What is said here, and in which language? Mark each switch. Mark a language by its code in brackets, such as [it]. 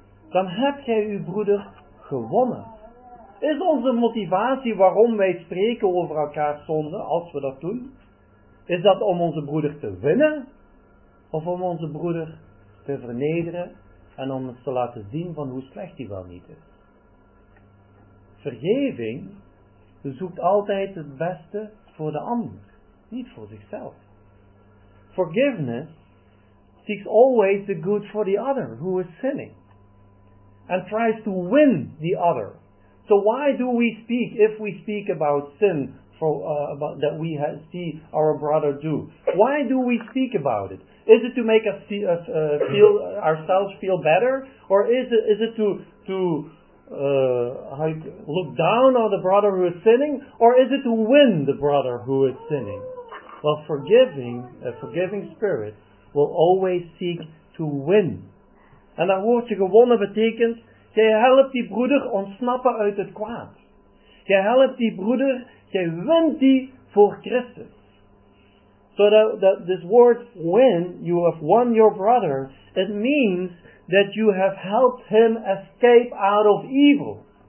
[nl] dan heb jij uw broeder gewonnen. Is onze motivatie waarom wij spreken over elkaars zonde, als we dat doen, is dat om onze broeder te winnen, of om onze broeder te vernederen en om ons te laten zien van hoe slecht hij wel niet is? Vergeving zoekt altijd het beste voor de ander, niet voor zichzelf. [en] Forgiveness seeks always the good for the other who is sinning and tries to win the other. So why do we speak, if we speak about sin that we see our brother do? Why do we speak about it? Is it to make us feel ourselves feel better, or is it to look down on the brother who is sinning, or is it to win the brother who is sinning? Well, a forgiving spirit will always seek to win. [nl] En dat woordje gewonnen betekent, jij helpt die broeder ontsnappen uit het kwaad. Jij helpt die broeder, jij wint die voor Christus. [en] So that this word win, you have won your brother, it means that you have helped him escape out of evil.